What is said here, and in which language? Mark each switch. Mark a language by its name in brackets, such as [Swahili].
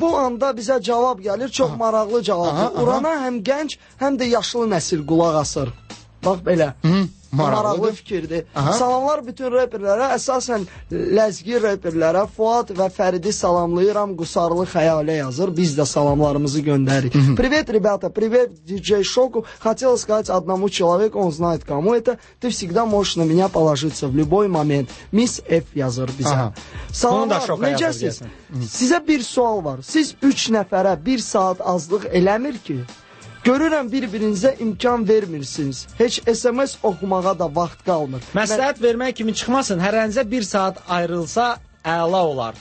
[Azerbaijani] Bu anda bizə cavab gəlir, çox maraqlı cavabdır. Urana həm gənc, həm də yaşlı nəsil qulaq asır. Bax belə. Maraqlı fikirdir. Salamlar bütün rapperlərə, əsasən ləzgi rapperlərə. Fuad və Fəridi salamlayıram. Qusarlı xəyalə yazır. Biz də salamlarımızı göndəririk. [Russian] Привет, ребята. Привет, DJ Шоку. Хотел сказать одному человеку, он знает кому это. Ты всегда можешь на меня положиться в любой момент. [Azerbaijani] Miss F yazır bizə. Salamlar. Necəsiz? Sizə bir sual var. Siz 3 nəfərə 1 saat azlıq eləmir ki? Görürəm, bir-birinizə imkan vermirsiniz. Heç SMS oxumağa da vaxt qalmır. Məsləhət vermək kimi çıxmasın. Hər hənizə bir saat ayrılsa əla olar.